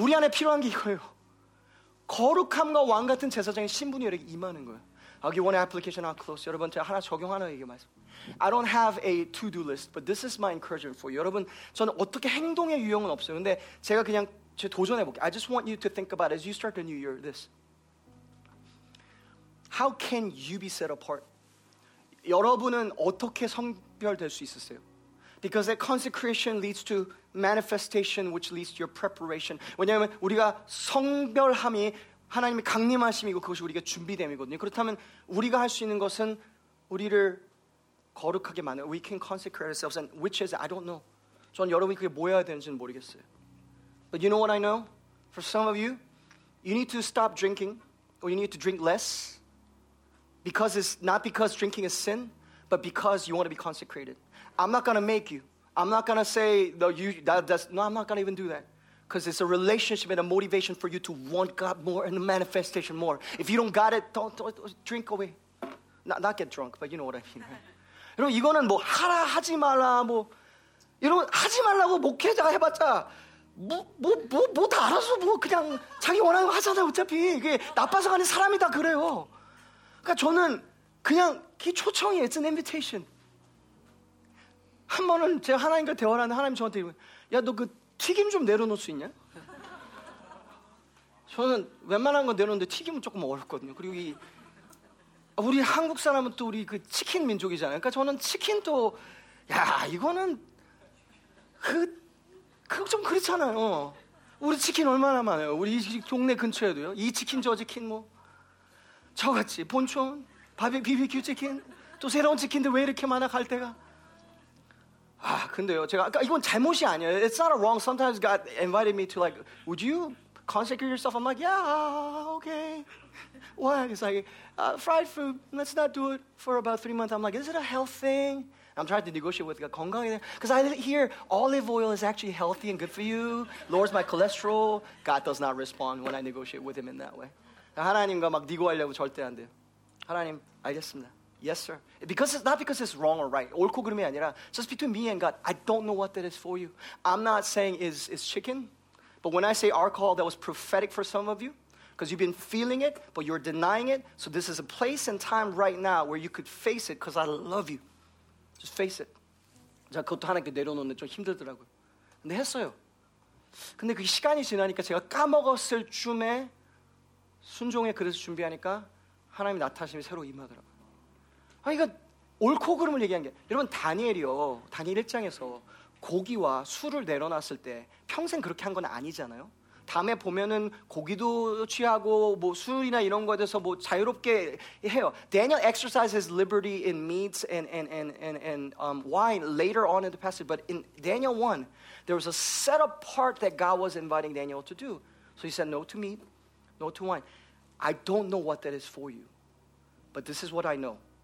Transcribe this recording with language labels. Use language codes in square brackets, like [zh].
[ko] 우리 안에 필요한 게 이거예요. 거룩함과 왕 같은 제사장의 신분이 여기 임하는 거예요. [en] I'll give one application out close. [ko] 여러분, 제가 하나 적용하는 얘기 말씀. [en] I don't have a to-do list, but this is my encouragement for you. [ko] 여러분, 저는 어떻게 행동의 유형은 없어요. 근데 제가 그냥 제 도전해 볼게요. [en] I just want you to think about as you start the new year, this. How can you be set apart? [ko] 여러분은 어떻게 성별될 수 있으세요? [en] Because that consecration leads to manifestation, which leads to your preparation. [ko] 왜냐하면 우리가 성별함이 하나님의 강림하심이고 그것이 우리가 준비됨이거든요. 그렇다면 우리가 할 수 있는 것은 우리를 거룩하게 만들어. [en] We can consecrate ourselves. And which is, I don't know. [ko] 전 여러분이 그게 뭐여야 되는지는 모르겠어요. [en] But you know what I know? For some of you, you need to stop drinking or you need to drink less because it's not because drinking is sin, but because you want to be consecrated. I'm not going to make you. I'm not going to say, no, you, that, that's, no, I'm not going to even do that. Because it's a relationship and a motivation for you to want God more and a manifestation more. If you don't got it, don't drink away. Not get drunk, but you know what I mean. [ko] 여러분, 이거는 뭐 하라, 하지 말라, 뭐 여러분, 하지 말라고 목회자 해봤자 뭐 다 알아서 뭐 그냥 자기 원하는 거 하잖아, 어차피. 이게 나빠서 가는 사람이 다 그래요. 그러니까 저는 그냥 그 초청이, [en] it's an invitation. [ko] 한 번은 제가 하나님과 대화를 하는데 하나님 저한테 야, 너 그 튀김 좀 내려놓을 수 있냐? 저는 웬만한 건 내려놓는데 튀김은 조금 어렵거든요. 그리고 이 우리 한국 사람은 또 우리 그 치킨 민족이잖아요. 그러니까 저는 치킨도 야, 이거는 그거 좀 그렇잖아요. 우리 치킨 얼마나 많아요. 우리 이 동네 근처에도요. 이 치킨 저 치킨 뭐 저같이 본촌 비비큐 치킨 또 새로운 치킨들 왜 이렇게 많아 갈 데가. 아, 근데요, 제가 아까 이건 잘못이 아니에요. [en] It's not a wrong. Sometimes God invited me to like, would you consecrate yourself? I'm like, yeah, okay. Why? It's like, fried food. Let's not do it for about 3 months. I'm like, is it a health thing? I'm trying to negotiate with God. [ko] 건강이 돼? [en] Because I hear olive oil is actually healthy and good for you. Lowers my cholesterol. God does not respond when I negotiate with him in that way. [ko] 하나님과 막 니고하려고 절대 안 돼요. 하나님, 알겠습니다. [en] Yes, sir. Because it's not because it's wrong or right. [ko] 옳고 그름이 아니라, [en] just between me and God, I don't know what that is for you. I'm not saying it's chicken, but when I say alcohol, that was prophetic for some of you, because you've been feeling it, but you're denying it. So this is a place and time right now where you could face it, because I love you. Just face it. [ko] 제가 그것도 하나님께 내려놓는데 좀 힘들더라고요. 근데 했어요. 근데 그 시간이 지나니까 제가 까먹었을 쯤에 순종에 그래서 준비하니까 하나님의 나타심이 새로 임하더라고요. 아, 이거 옳고 그름을 얘기한 게 여러분 다니엘이요. 다니엘 1장에서 고기와 술을 내려놨을 때 평생 그렇게 한 건 아니잖아요. 다음에 보면은 고기도 취하고 뭐 술이나 이런 거에 대해서 뭐 자유롭게 해요. [en] Daniel exercises liberty in meats and wine later on in the passage. But in Daniel 1, there was a set apart that God was inviting Daniel to do. So he said no to meat, no to wine. I don't know what that is for you, but this is what I know.